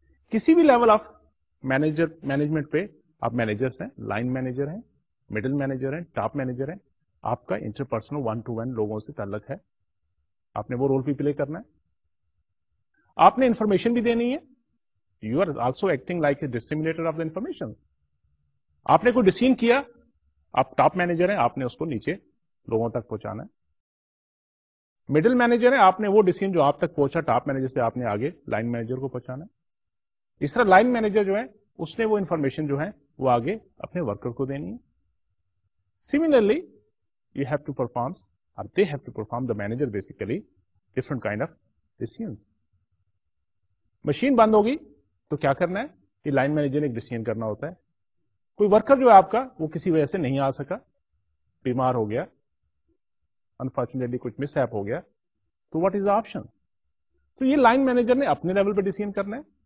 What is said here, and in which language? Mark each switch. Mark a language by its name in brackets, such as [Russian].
[Urdu] کسی بھی level of manager management پہ آپ مینیجرس ہیں, لائن مینیجر ہیں, مڈل مینیجر ہیں, ٹاپ مینیجر ہیں, آپ کا انٹرپرسنل ون ٹو ون لوگوں سے تعلق ہے. آپ نے وہ رول بھی پلے کرنا ہے, آپ نے انفارمیشن بھی دینی ہے. [English] You are also acting like a disseminator of the information. [Urdu] آپ نے کوئی ڈیسیژن کیا, آپ ٹاپ مینیجر ہیں, آپ نے اس کو نیچے لوگوں تک پہنچانا ہے. مڈل مینیجر ہیں, آپ نے وہ ڈیسیژن جو آپ تک پہنچا ٹاپ مینیجر سے آپ نے آگے لائن مینیجر کو پہنچانا ہے. اس طرح لائن مینیجر جو ہے اس نے وہ انفارمیشن جو ہے وہ آگے اپنے ورکر کو دینی ہے. [English] Similarly you have to perform اور they have to perform the manager basically different kind of decisions. [Urdu] Machine بند ہوگی تو کیا کرنا ہے, یہ لائن مینیجر نے ایک ڈیسیژن کرنا ہوتا ہے. کوئی ورکر جو ہے آپ کا وہ کسی وجہ سے نہیں آ سکا, بیمار ہو گیا, [English] unfortunately [Urdu] کچھ [English] mishap [Urdu] ہو گیا, تو [English] What is the option? [Urdu] تو یہ لائن مینیجر نے اپنے لیول پہ ڈیسیژن کرنا ہے.